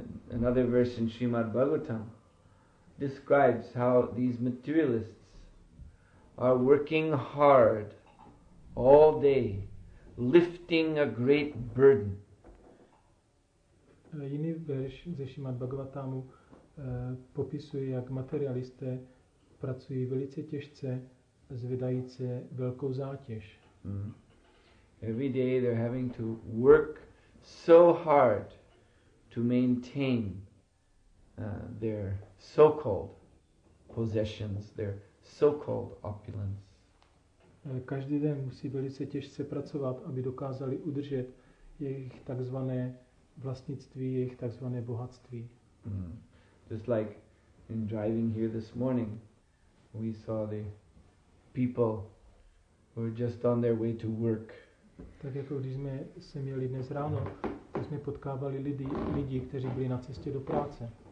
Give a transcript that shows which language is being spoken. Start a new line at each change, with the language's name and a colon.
English: Another verse in Srimad Bhagavatam describes how these materialists are working hard all day, lifting a great burden.
Czech: Jiný verš ze Srimad Bhagavatamu popisuje, jak materialisté pracují velice těžce, zvedají se velkou zátěž.
English: Every day they're having to work so hard to maintain their so-called possessions, their so-called opulence.
Czech: Každý den musí velice těžce pracovat, aby dokázali udržet jejich takzvané vlastnictví, jejich takzvané bohatství.
English: Just like in driving here this morning, we saw the people who were just on their way to work.
Czech: Tak jako když jsme se měli dnes ráno, tak jsme potkávali lidi, kteří byli na cestě do práce.